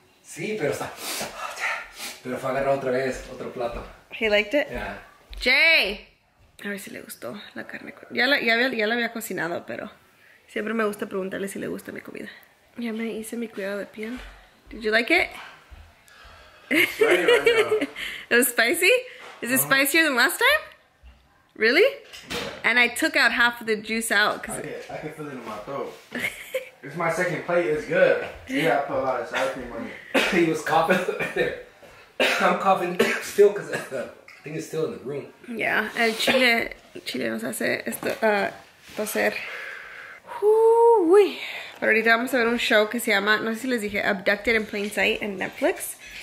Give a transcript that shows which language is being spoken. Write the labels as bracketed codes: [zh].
[es] Sí, pero está. [en] Oh, yeah. [es] Pero fue a agarrar otra vez otro plato. [en] He liked it. Yeah. Jay. [es] A ver si le gustó la carne. Ya la había cocinado, pero siempre me gusta preguntarle si le gusta mi comida. Ya me hice mi cuidado de piel. [en] Did you like it? It was spicy. Is it spicier than last time? Really? Yeah. And I took out half of the juice out. Cause I can feel it in my throat. It's my second plate. It's good. Yeah, I put a lot of sour cream on it. He was coughing. I'm coughing still because I think it's still in the room. Yeah, [es] el chile, nos hace esto, toser. Uy. Pero ahorita vamos a ver un show que se llama, no sé si les dije, Abducted in Plain Sight en Netflix.